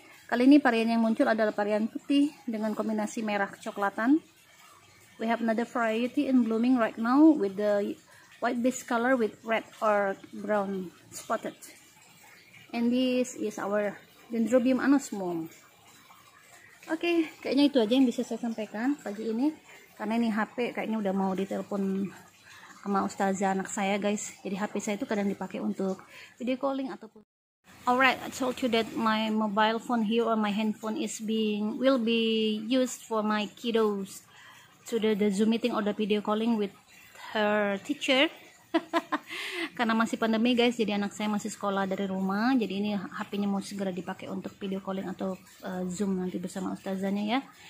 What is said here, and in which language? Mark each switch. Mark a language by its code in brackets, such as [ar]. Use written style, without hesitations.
[id] Kali ini varian yang muncul adalah varian putih dengan kombinasi merah coklatan. [en] We have another variety in blooming right now with the white base color with red or brown spotted. And this is our Dendrobium anosmum. [id] Okay, kayaknya itu aja yang bisa saya sampaikan pagi ini. Karena ini HP kayaknya udah mau ditelepon sama ustazah anak saya, guys. Jadi HP saya itu kadang dipakai untuk video calling ataupun. [en] Alright, I told you that my mobile phone here or my handphone is being will be used for my kiddos to the Zoom meeting or the video calling with her teacher. [id] Karena masih pandemi, guys, jadi anak saya masih sekolah dari rumah. Jadi ini HP-nya mau segera dipakai untuk video calling atau Zoom nanti bersama ustazahnya ya.